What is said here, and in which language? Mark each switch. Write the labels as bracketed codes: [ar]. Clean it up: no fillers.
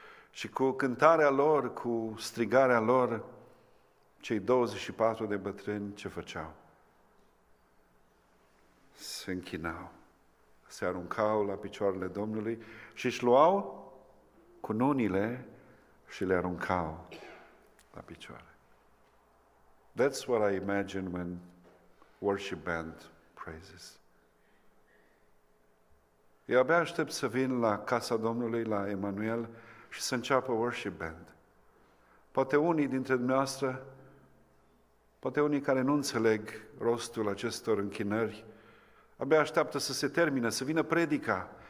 [ro] Și cu cântarea lor, cu strigarea lor, cei 24 de bătrâni ce făceau? Se închinau, se aruncau la picioarele Domnului și își luau cununile și le aruncau la picioare. [en] That's what I imagine when worship band praises. [ro] Eu abia aștept să vin la casa Domnului, la Emanuel, și să înceapă worship band. Poate unii dintre dumneavoastră, poate unii care nu înțeleg rostul acestor închinări, abia așteaptă să se termine, să vină predica.